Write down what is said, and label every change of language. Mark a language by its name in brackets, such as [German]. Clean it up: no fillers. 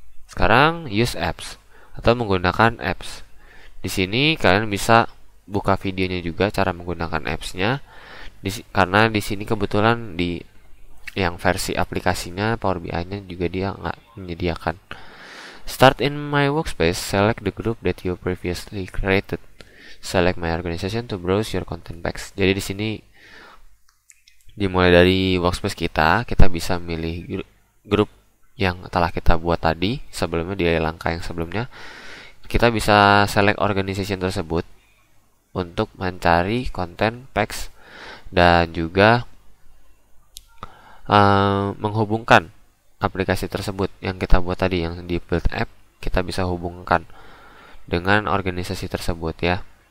[Indonesian] Sekarang [English] use apps [Indonesian] atau menggunakan apps. Di sini kalian bisa buka videonya juga cara menggunakan apps-nya. Karena di sini kebetulan di yang versi aplikasinya Power BI-nya juga dia nggak menyediakan. [English] Start in my workspace, select the group that you previously created. Select my organization to browse your content packs. [Indonesian] Jadi di sini dimulai dari workspace kita, kita bisa milih grup yang telah kita buat tadi sebelumnya, di langkah yang sebelumnya. Kita bisa select organization tersebut untuk mencari content packs dan juga menghubungkan aplikasi tersebut yang kita buat tadi, yang di build app, kita bisa hubungkan dengan organisasi tersebut ya.